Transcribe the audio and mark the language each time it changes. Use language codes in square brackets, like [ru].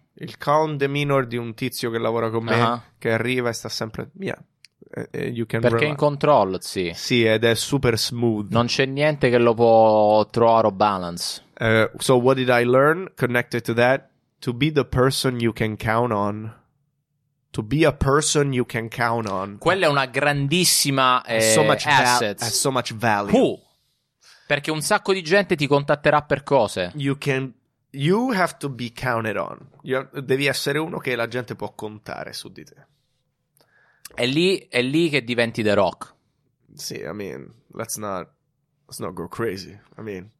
[it] Il [en] calm demeanor [it] di un tizio che lavora con me, uh-huh. Che arriva e sta sempre... [en] Yeah, you can [it] perché È in controllo, sì. Sì, ed è super smooth. Non c'è niente che lo può trovare o balance. [en] So what did I learn connected to that? To be the person you can count on To be a person you can count on. [it] Quella è una grandissima [en] so much value. Who? [it] Perché un sacco di gente ti contatterà per cose. [en] You have to be counted on. [it] Devi essere uno che la gente può contare su di te. È lì che diventi The Rock. [en] Sì, I mean, let's not go crazy. I mean.